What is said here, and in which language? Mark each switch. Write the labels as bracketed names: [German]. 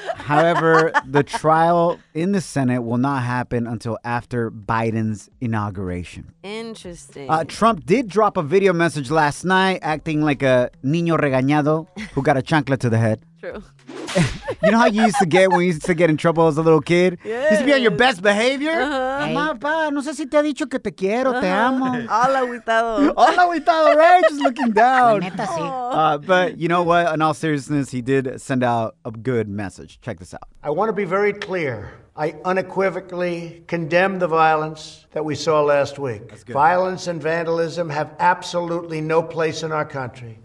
[English] However, the trial in the Senate will not happen until after Biden's inauguration. Interesting. Trump did drop a video message last night acting like a [Spanish] niño regañado [English] who got a chancla to the head. True. You know how you used to get when you used to get in trouble as a little kid? Yes. Used to be on your best behavior? Uh-huh. Hey. [Spanish] Mamá, pa, no sé si te ha dicho que te quiero, te amo. Hola, aguitado. Hola, aguitado, [English] right? Just looking down. [Spanish] La neta, sí. [English] But you know what? In all seriousness, he did send out a good message. Check this out. I want to be very clear. I unequivocally condemn the violence that we saw last week. Violence and vandalism have absolutely no place in our country.